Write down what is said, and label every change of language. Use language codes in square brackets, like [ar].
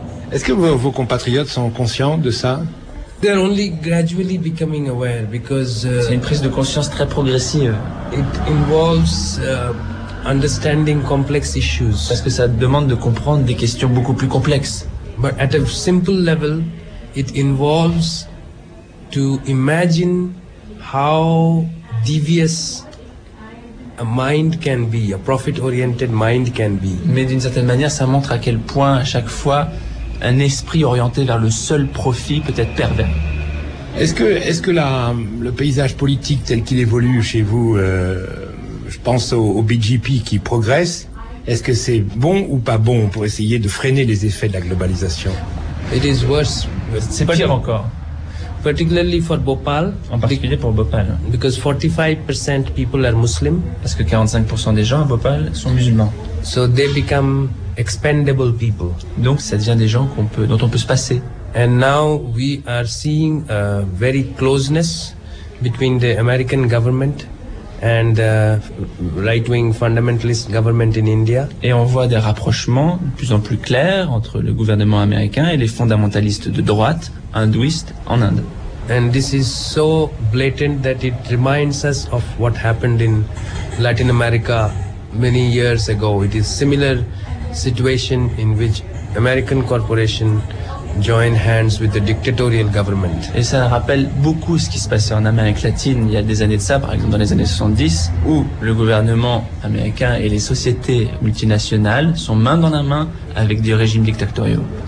[fr] Est-ce que vos compatriotes sont conscients de ça? [en] They're only gradually becoming aware because [fr] c'est une prise de conscience très progressive. [en] It involves understanding complex issues. [fr] Parce que ça demande de comprendre des questions beaucoup plus complexes. [en] But at a simple level, it involves to imagine how devious a mind can be, a profit-oriented mind can be. [fr] Mais d'une certaine manière, ça montre à quel point, à chaque fois, un esprit orienté vers le seul profit peut être pervers. Est-ce que le paysage politique tel qu'il évolue chez vous, je pense au BJP qui progresse, est-ce que c'est bon ou pas bon pour essayer de freiner les effets de la globalisation? [en] It is worse. [fr] C'est pire encore. [en] Particularly for Bhopal. [fr] En particulier pour Bhopal. [en] Because 45% people are Muslim. [fr] Parce que 45% des gens à Bhopal sont musulmans. [en] So they become expendable people. [fr] Donc ça devient des gens dont on peut se passer. [en] And now we are seeing a very closeness between the American government and the right-wing fundamentalist government in India. [fr] Et on voit des rapprochements de plus en plus clairs entre le gouvernement américain et les fondamentalistes de droite hindouistes en Inde. [en] And this is so blatant that it reminds us of what happened in Latin America many years ago. It is similar situation in which American corporation join hands with the dictatorial government. [fr] Et ça rappelle beaucoup ce qui se passait en Amérique latine il y a des années de ça, par exemple dans les années 70, où le gouvernement américain et les sociétés multinationales sont main dans la main avec des régimes dictatoriaux.